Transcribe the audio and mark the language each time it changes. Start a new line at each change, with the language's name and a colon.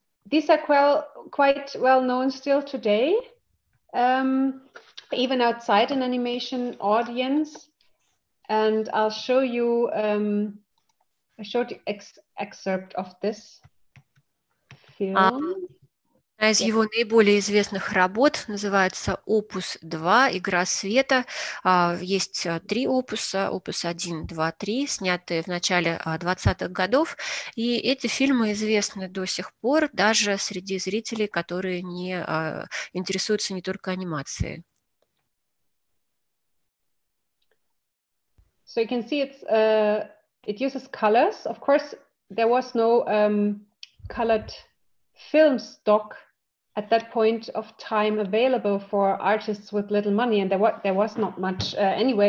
English: These are quite well known still today, even outside an animation audience. And I'll show you a short excerpt of this.
Russian: Одна из его наиболее известных работ называется «Опус 2. Игра света». Есть три опуса, опус 1, 2, 3, снятые в начале 20-х годов. И эти фильмы известны до сих пор даже среди зрителей, которые не интересуются не только анимацией.
English: So you can see it's, it uses colors. Of course, there was no colored film stock at that point of time available for artists with little money, and there was not much anyway.